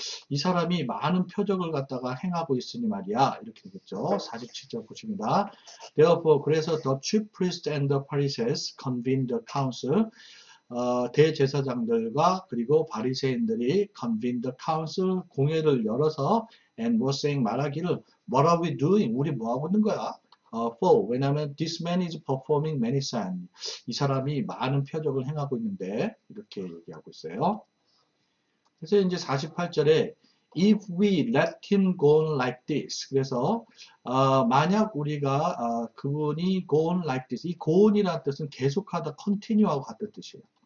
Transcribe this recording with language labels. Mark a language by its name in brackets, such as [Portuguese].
[Korean] 이 사람이 많은 표적을 갖다가 행하고 있으니 말이야. 이렇게 되겠죠. 47절 보십니다. [English] Therefore, [Korean] 그래서 [English] the chief priest and the Pharisees convened the council. [Korean] 대제사장들과 그리고 바리새인들이 [English] convene the council [Korean] 공회를 열어서 [English] and was saying [Korean] 말하기를 [English] What are we doing? [Korean] 우리 뭐 하고 있는 거야? [English] For [Korean] 왜냐면 [English] this man is performing many signs. [Korean] 이 사람이 많은 표적을 행하고 있는데 이렇게 얘기하고 있어요. 그래서 이제 48절에 [English] If we let him go on like this. [Korean] 그래서 만약 우리가 그분이 [English] go on like this. [Korean] 이 go on이라는 뜻은 계속하다, continue하고 같은 뜻이에요.